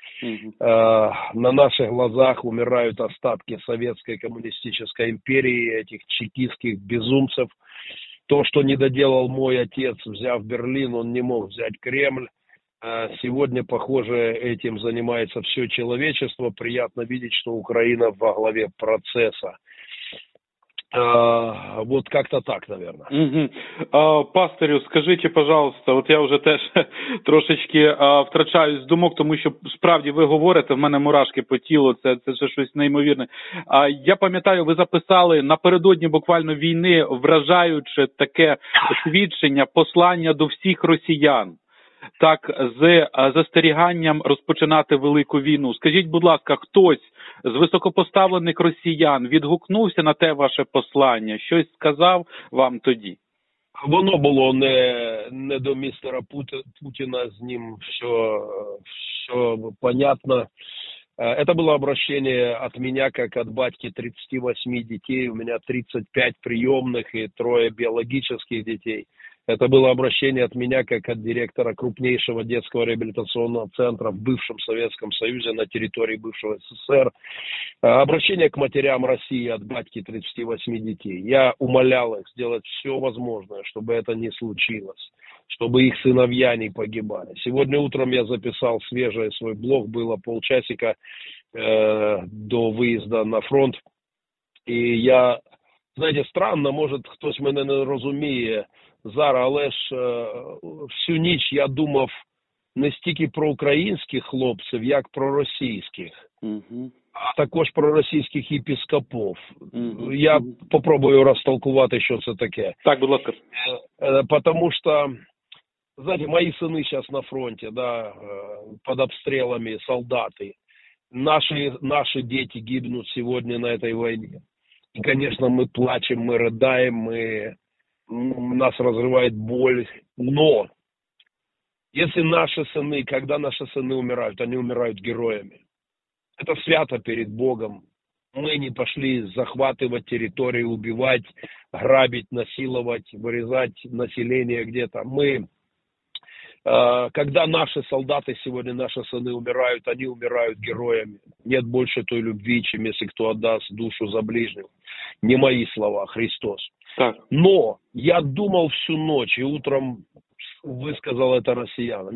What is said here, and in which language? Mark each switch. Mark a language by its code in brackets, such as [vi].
[ru] На наших глазах умирают остатки советской коммунистической империи, этих чекистских безумцев. То, что не доделал мой отец, взяв Берлин, он не мог взять Кремль. Сегодня, похоже, этим занимается все человечество. Приятно видеть, что Украина во главе процесса. Вот как-то так, наверное. [uk] Пастырю, скажите, пожалуйста, вот я уже теж трошечки втрачаюсь з думок, тому що справді ви говорите, в мене мурашки по тілу, це вже щось неймовірне. Я пам'ятаю, ви записали напередодні буквально війни вражаюче таке свідчення, послання до всіх росіян. Так, з застеріганням розпочинати велику війну. Скажіть, будь ласка, хтось з високопоставлених росіян відгукнувся на те ваше послання? Щось сказав вам тоді? Воно було не до містера Путіна, з ним все понятно. Це було обращення від мене, як від батьки 38 дітей. У мене 35 прийомних і троє біологічних дітей. [ru] Это было обращение от меня, как от директора крупнейшего детского реабилитационного центра в бывшем Советском Союзе на территории бывшего СССР. Обращение к матерям России от батьки 38 детей. Я умолял их сделать все возможное, чтобы это не случилось, чтобы их сыновья не погибали. Сегодня утром я записал свежий свой блог, было полчасика до выезда на фронт, и я [uk] Знаєте, странно, може хтось мене не розуміє зараз, але ж всю ніч я думав не стільки про українських хлопців, як про російських, а також про російських єпископів. Я попробую розтолкувати, що це таке. Так, будь ласка. Тому що, знаєте, мої сини зараз на фронті, да, під обстрілами солдати. Наші діти гинуть сьогодні на цій війні. І, звісно, ми плачемо, ми ридаємо, нас розриває біль. Но, якщо наші сини, коли наші сини вмирають, вони вмирають героями. Це свято перед Богом. Ми не пішли захватувати території, убивати, грабити, насилувати, вирізати населення где-то. [ru] Когда наши солдаты сегодня, наши сыны умирают, они умирают героями. Нет больше той любви, чем если кто отдаст душу за ближнего. Не мои слова, Христос. Так. Но я думал всю ночь, и утром высказал это россиянам.